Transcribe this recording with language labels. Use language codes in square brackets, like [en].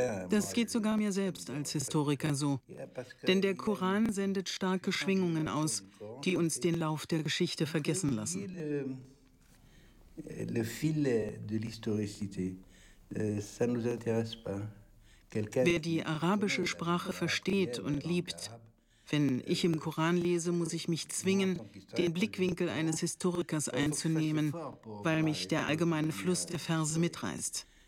[de] Das geht sogar mir selbst als Historiker so. Denn der Koran sendet starke Schwingungen aus, die uns den Lauf der Geschichte vergessen lassen. [fr] Le fil de l'historicité, ça nous intéresse pas. [de] Wer die arabische Sprache versteht und liebt, wenn ich im Koran lese, muss ich mich zwingen, den Blickwinkel eines Historikers einzunehmen, weil mich der allgemeine Fluss der Verse mitreißt.